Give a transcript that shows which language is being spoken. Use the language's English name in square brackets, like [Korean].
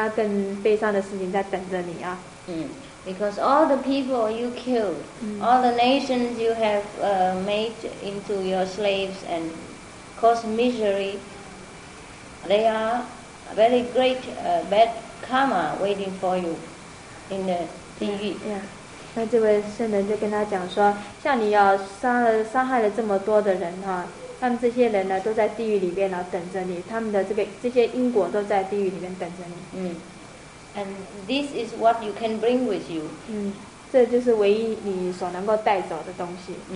[Chinese] 那这个亚历山大呢，他听了之后呢，非常的伤心啊，觉得很难过，所以他这个这位圣人就跟他讲说，也不必如此，因为还有其他更悲伤的事情在等着你啊。 [English] Because all the people you killed, all the nations you have made into your slaves and caused misery, they are very great bad karma waiting for you in the TV. Yeah. [Chinese] 那这位圣人就跟他讲说，像你要杀了伤害了这么多的人哈，他们这些人呢都在地狱里面等着你，他们的这些因果都在地狱里面等着你。 [English] And this is what you can bring with you. [Chinese] 这就是唯一你所能够带走的东西。